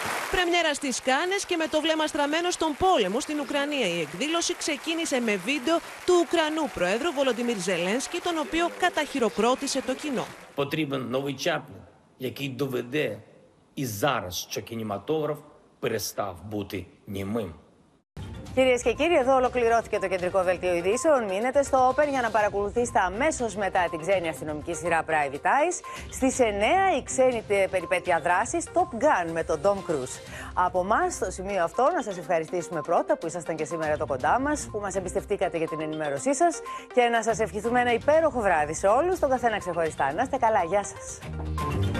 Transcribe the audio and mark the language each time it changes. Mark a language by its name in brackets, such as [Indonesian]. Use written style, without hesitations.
[Greek] Πρεμιέρα στις Κάνες και με το βλέμμα στραμμένο στον πόλεμο στην Ουκρανία. Η εκδήλωση ξεκίνησε με βίντεο του Ουκρανού Προέδρου Βολοντιμίρ Ζελένσκι, τον οποίο καταχειροκρότησε το κοινό. [Ukrainian] Потрібен новий чаплін, який доведе, і зараз, що кінематограф перестав бути німим. [Greek] Κυρίες και κύριοι, εδώ ολοκληρώθηκε το κεντρικό δελτίο ειδήσεων. Μείνετε στο Open για να παρακολουθήσετε αμέσως μετά την ξένη αστυνομική σειρά Private Eyes. Στις 9 η ξένη περιπέτεια δράσης Top Gun με τον Tom Cruise. Από εμάς, στο σημείο αυτό, να σας ευχαριστήσουμε πρώτα που ήσασταν και σήμερα εδώ κοντά μας, που μας εμπιστευτήκατε για την ενημέρωσή σας και να σας ευχηθούμε ένα υπέροχο βράδυ σε όλους, τον καθένα ξεχωριστά. Να είστε καλά, γεια σας.